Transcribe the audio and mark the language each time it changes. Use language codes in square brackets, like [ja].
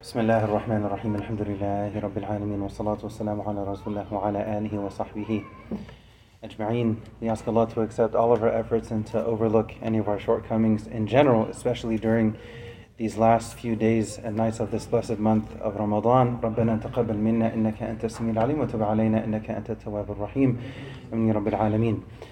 [ar] بسم الله الرحمن الرحيم الحمد لله رب العالمين والصلاة والسلام على رسول الله وعلى آله وصحبه أجمعين. [en] We ask Allah to accept all of our efforts and to overlook any of our shortcomings in general, especially during these last few days and nights of this blessed month of Ramadan. [ar] ربنا تقبل منا إنك أنت السميع العليم وتب علينا إنك أنت التواب الرحيم من رب العالمين.